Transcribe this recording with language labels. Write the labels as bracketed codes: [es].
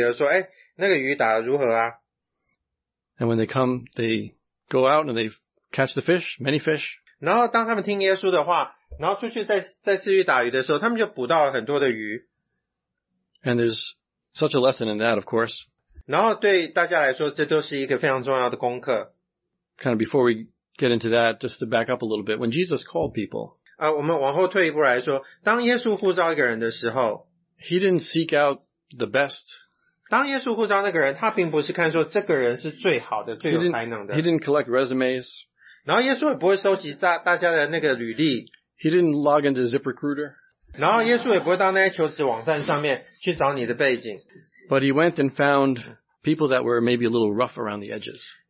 [zh] 当耶稣来的时候，那个他们那时候正在收渔网，然后耶稣就问彼得说，哎，那个鱼打得如何啊？ [en] And when they come, they go out and they catch the fish, many fish. [zh] 然后当他们听耶稣的话，然后出去再次去打鱼的时候，他们就捕到了很多的鱼。 [en] And there's such a lesson in that, of course. [zh] 然后对大家来说，这都是一个非常重要的功课。 [en] Kind of before we get into that, just to back up a little bit. When Jesus called people, [zh] 我们往后退一步来说，当耶稣呼召一个人的时候， [en] He didn't seek out the best. [zh] 当耶稣呼召那个人，他并不是看说这个人是最好的，最有才能的。 [en] He didn't collect resumes. [zh] 然后耶稣也不会收集大家的那个履历。 [en] He didn't log into ZipRecruiter. [zh] 然后耶稣也不会到那些求职网站上面去找你的背景。 [en] But He went and found people that were maybe a little rough around the edges.